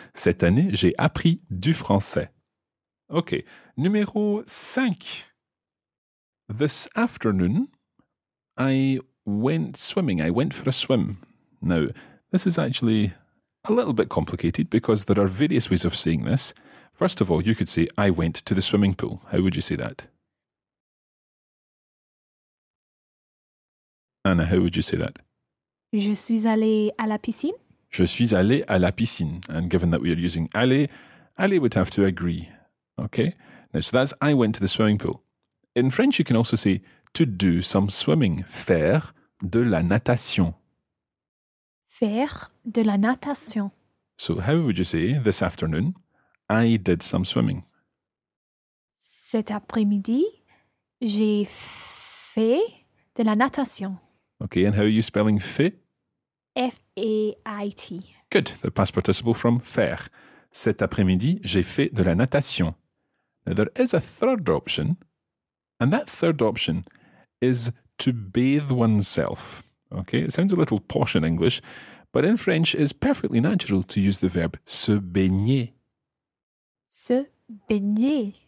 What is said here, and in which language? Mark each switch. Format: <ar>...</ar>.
<fr>Cette année, j'ai appris du français. Okay, numéro 5.</fr> <en>This afternoon, I went swimming. I went for a swim. Now, this is actually a little bit complicated because there are various ways of saying this. First of all, you could say, I went to the swimming pool. How would you say that? Anna, how would you say that?</en> <fr>Je suis allée à la piscine. Je suis allée à la piscine.</fr> <en>And given that we are using aller would have to agree. Okay? Now, so that's, I went to the swimming pool. In French, you can also say, to do some swimming.</en> <fr>Faire de la natation. Faire de la natation.</fr> <en>So how would you say, this afternoon, I did some swimming.</en> <fr>Cet après-midi, j'ai fait de la natation.</fr> <en>Okay, and how are you spelling fait? F-A-I-T. Good, the past participle from faire.</en> <fr>Cet après-midi, j'ai fait de la natation.</fr> <en>Now, there is a third option, and that third option is to bathe oneself. Okay, it sounds a little posh in English, but in French, it's perfectly natural to use the verb se baigner.</en> <fr>Se baigner.</fr>